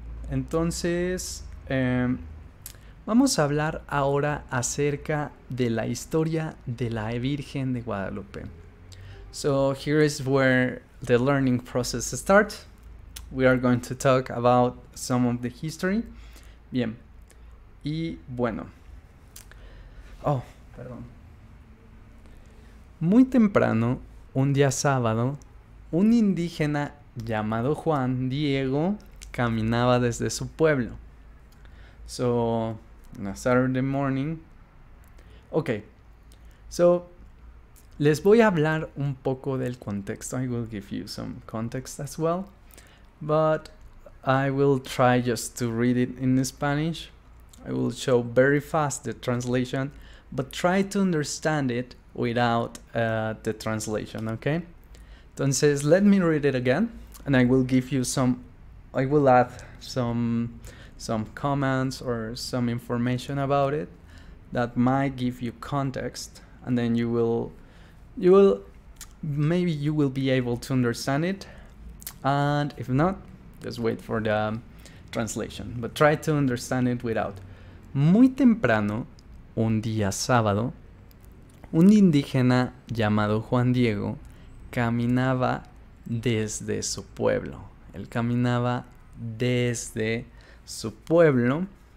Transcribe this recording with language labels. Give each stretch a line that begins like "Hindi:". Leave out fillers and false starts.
Spanish: Entonces, vamos a hablar ahora acerca de la historia de la Virgen de Guadalupe.
English: So here is where the learning process starts. We are going to talk about some of the history.
Spanish: Bien. Y bueno. Oh, perdón. Muy temprano, un día sábado, un indígena llamado Juan Diego caminaba desde su pueblo.
English: So, on a Saturday morning. Ok.
Spanish: So, les voy a hablar un poco del contexto.
English: I will give you some context as well. But I will try just to read it in Spanish. I will show very fast the translation. But try to understand it without the translation, ok?
Spanish: Entonces,
English: let me read it again, and I will give you some, I will add some comments or some information about it that might give you context, and then maybe you will be able to understand it, and if not, just wait for the translation, but try to understand it without.
Spanish: Muy temprano, un día sábado, un indígena llamado Juan Diego caminaba desde su pueblo. Él caminaba desde su pueblo.